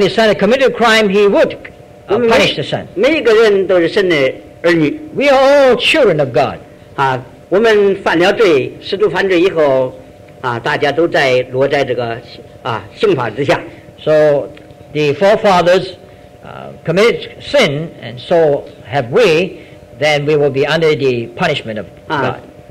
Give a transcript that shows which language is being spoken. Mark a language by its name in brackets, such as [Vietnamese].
[English] his son had committed a crime, he would punish the son. [Chinese] 每个人都是神的。 [English] We are all children of God. [Chinese] 我们犯了罪，十度犯罪以后，大家都在落在这个刑法之下。 [English] So the forefathers committed sin, and so have we, then we will be under the punishment of God.